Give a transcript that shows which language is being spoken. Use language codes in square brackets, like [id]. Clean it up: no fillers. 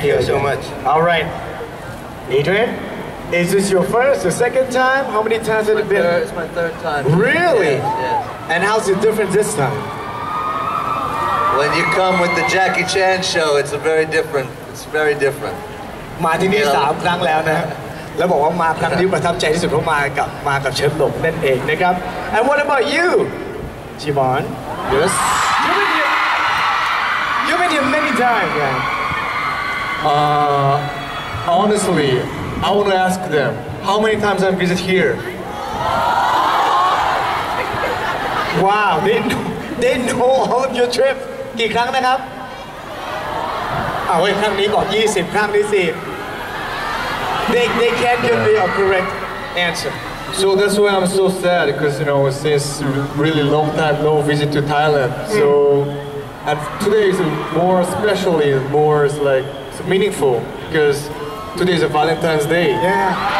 [en] here. Thank you so much. All right. Adrian, is this your first or second time? How many times has it been? It's my third time. Really? Yes. And how's it different this time? When you come with the Jackie Chan show, it's a very different. It's very different. [th] มาที่นี่สามครั้งแล้วนะแล้วบอกว่ามาครั้งนี้ประทับใจที่สุดเพราะมากับเชิญหลงนั่นเองนะครับ [en] And what about you, Jimon? Yes. You've been here many times, man. Honestly, I want to ask them, how many times I've visited here? Wow, they know all of your trip. [th] กี่ครั้งนะครับ ครั้งนี้ก่อน 20, ครั้งนี้ 10. [en] They can't give me a correct answer. So that's why I'm so sad, because, you know, since really long time, no visit to Thailand, so... And today is more especially, more is like it's meaningful because today is a Valentine's Day. Yeah.